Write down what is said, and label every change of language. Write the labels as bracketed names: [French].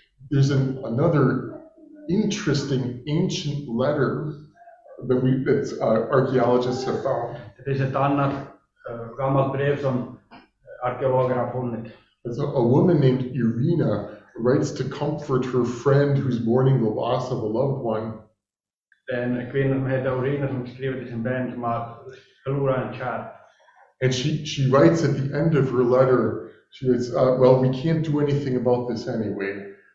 [English] There's another interesting ancient letter that archaeologists have found. [Swedish] Det finns ett annat gammalt brev som arkeologer har funnit. [English] So a woman named Irina writes to comfort her friend who's mourning the loss of a loved one. [Swedish] En kvinna som heter Irina som skriver till sin vän som har förlorat en kär. [English] And she writes at the end of her letter, she writes, well, we can't do anything about this anyway.